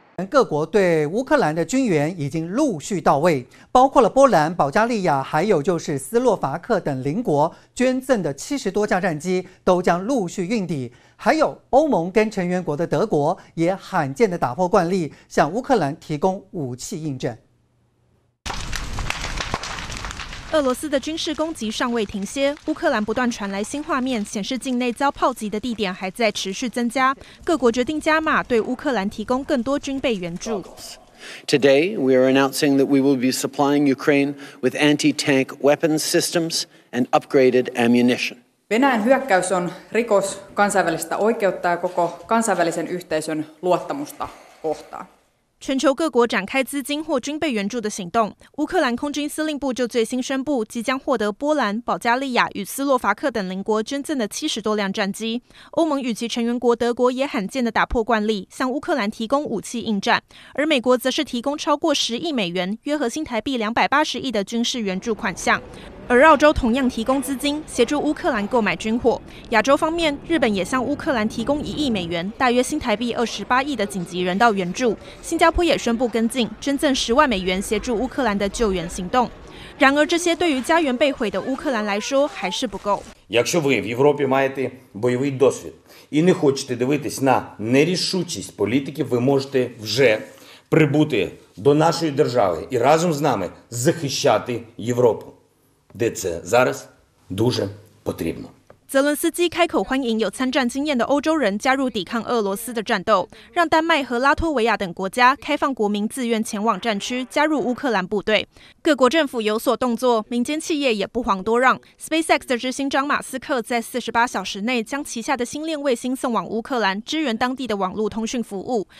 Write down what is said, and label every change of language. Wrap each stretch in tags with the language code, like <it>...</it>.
<zh>各国对乌克兰的军援已经陆续到位，包括了波兰、保加利亚，还有就是斯洛伐克等邻国捐赠的70多架战机都将陆续运抵，还有欧盟跟成员国的德国也罕见的打破惯例，向乌克兰提供武器应战。俄罗斯的军事攻击尚未停歇，乌克兰不断传来新画面，显示境内遭炮击的地点还在持续增加。各国决定加码对乌克兰提供更多军备援助。</zh> <en>Today we are announcing that we will be supplying Ukraine with anti-tank weapons systems and upgraded ammunition.</en> <fi>Venäjän hyökkäys on rikos kansainvälistä oikeutta ja koko kansainvälisen yhteisön luottamusta kohtaan.</fi> <zh>全球各国展开资金或军备援助的行动，乌克兰空军司令部就最新宣布，即将获得波兰、保加利亚与斯洛伐克等邻国捐赠的70多辆战机。欧盟与其成员国德国也罕见的打破惯例，向乌克兰提供武器应战，而美国则是提供超过10亿美元（约合新台币280亿）的军事援助款项。而澳洲同样提供资金，协助乌克兰购买军火。亚洲方面，日本也向乌克兰提供1亿美元，大约新台币28亿的紧急人道援助。新加坡也宣布跟进，捐赠10万美元协助乌克兰的救援行动。然而，这些对于家园被毁的乌克兰来说还是不够。</zh> <uk>Якщо ви в Європі маєте бойовий досвід і не хочете дивитись на нерішучість політиків, ви можете вже прибути до нашої держави і разом з нами захищати Європу, де це зараз дуже потрібно。</uk> <zh>泽伦斯基开口欢迎有参战经验的欧洲人加入抵抗俄罗斯的战斗，让丹麦和拉脱维亚等国家开放国民自愿前往战区加入乌克兰部队。各国政府有所动作，民间企业也不遑多让。SpaceX 的执行长马斯克在48小时内将旗下的星链卫星送往乌克兰，支援当地的网络通讯服务。</zh>